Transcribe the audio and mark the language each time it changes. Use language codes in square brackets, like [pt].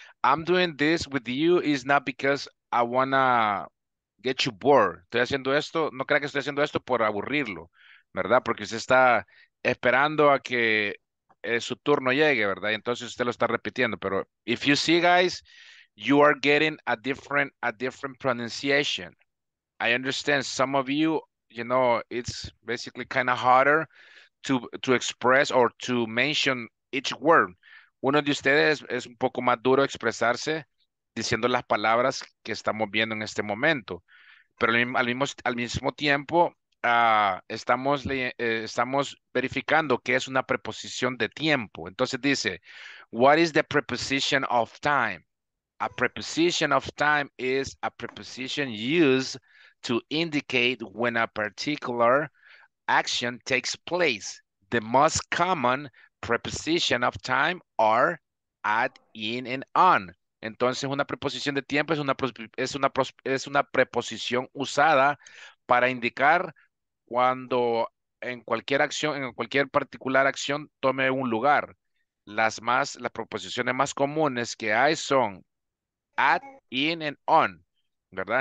[en] I'm doing this with you is not because I wanna get you bored. [es] Estoy haciendo esto. No crea que estoy haciendo esto por aburrirlo, ¿verdad? Porque usted está esperando a que su turno llegue, ¿verdad? Entonces usted lo está repitiendo, pero [en] if you see, guys, you are getting a different pronunciation. I understand some of you, you know, it's basically kind of harder to express or to mention each word. [es] Uno de ustedes es un poco más duro expresarse diciendo las palabras que estamos viendo en este momento. Pero al mismo tiempo, estamos verificando qué es una preposición de tiempo. Entonces dice, [en] what is the preposition of time? A preposition of time is a preposition used to indicate when a particular action takes place. The most common preposition of time are at, in, and on. [es] Entonces, una preposición de tiempo es una preposición usada para indicar cuando en cualquier particular acción tome un lugar. Las preposiciones más comunes que hay son at, in, and on, ¿verdad?